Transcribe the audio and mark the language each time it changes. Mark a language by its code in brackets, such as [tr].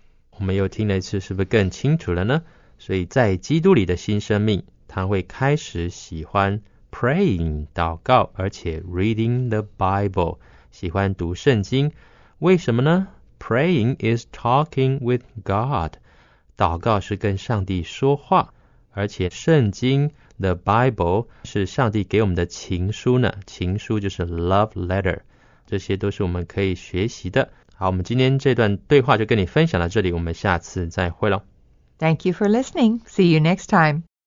[zh] 我们又听了一次，是不是更清楚了呢？所以在基督里的新生命，他会开始喜欢 praying, 祷告，而且 [en] reading the Bible, [zh] 喜欢读圣经。为什么呢 [en] ?Praying is talking with God. [zh] 祷告是跟上帝说话。而且圣经 ,the Bible, 是上帝给我们的情书呢。情书就是 love letter. 这些都是我们可以学习的。好，我们今天这段对话就跟你分享到这里，我们下次再会咯。 [en] Thank you for listening. See you next time.